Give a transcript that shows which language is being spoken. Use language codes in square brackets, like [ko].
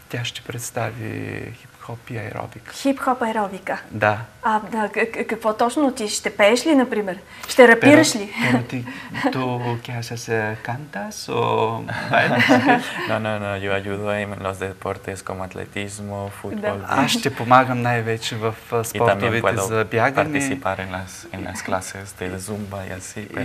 [bg] Тя ще представи хип-хоп и аеробика. Хип-хоп аеробика? Да. А да, какво точно? Ти ще пееш ли, например? Ще рапираш ли? [es] Pero ti, tú, ¿qué haces? ¿Cantas o bailas? No, yo ayudo en los deportes como atletismo, fútbol. [bg] Да. Аз ще помагам най-вече в спортовете за бягане. [es] И también puedo participar en las clases de зумба y así.